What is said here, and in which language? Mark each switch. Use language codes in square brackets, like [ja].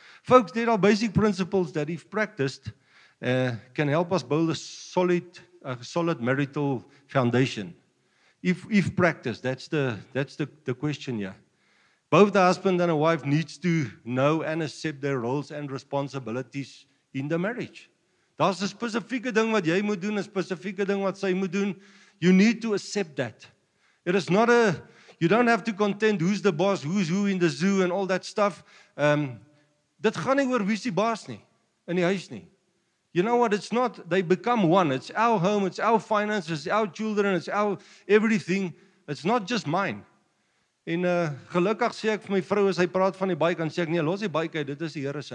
[en] Folks, there are basic principles that if practiced can help us build a solid marital foundation. If practiced, that's the question here. Both the husband and a wife needs to know and accept their roles and responsibilities in the marriage. [af] Daar's 'n spesifieke ding wat jy moet doen, 'n spesifieke ding wat sy moet doen. [en] You need to accept that. It is not you don't have to contend who's the boss, who's who in the zoo and all that stuff. [af] Dit gaan nie oor wie's die baas nie in die huis nie. [en] You know what? It's not, they become one. It's our home, it's our finances, it's our children, it's our everything. It's not just mine. [af] En gelukkig sê ek vir my vrou, as hy praat van die bike, dan sê ek, nee, los die bike uit, dit is die Here se.